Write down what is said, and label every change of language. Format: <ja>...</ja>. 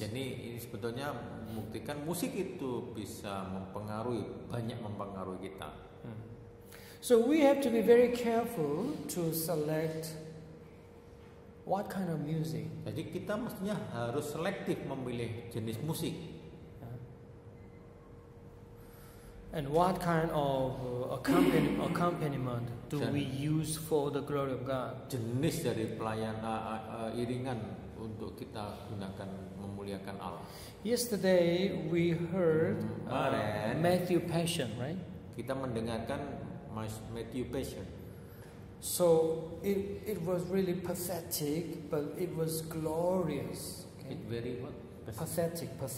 <id>Jadi ini sebetulnya membuktikan musik itu bisa mempengaruhi banyak mempengaruhi kita.</id> <en>So we have to be very careful to select What kind of music?</en> <id>Jadi kita mestinya harus selektif memilih jenis musik.</id> <en>And what kind of accompaniment do we use for the glory of God?</en> <id>Jenis dari pelayanan iringan untuk kita gunakan memuliakan Allah.</id> <en>Yesterday we heard Matthew Passion, right?</en> <id>Kita mendengarkan Matthew Passion.</id> <en>So it was really pathetic, but it was glorious. Okay? It very what? Pathetic.</en>